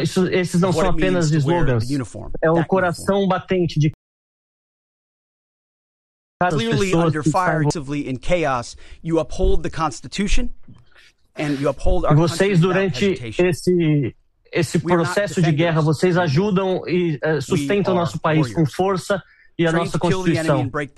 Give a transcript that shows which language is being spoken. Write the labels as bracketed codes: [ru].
[pt] Esses não são apenas slogans. É o coração batente de cada pessoa. [en] Clearly under fire, actively in chaos, you uphold the Constitution. [pt] E vocês, durante esse processo de guerra, vocês ajudam e sustentam nosso país com força e a nossa Constituição.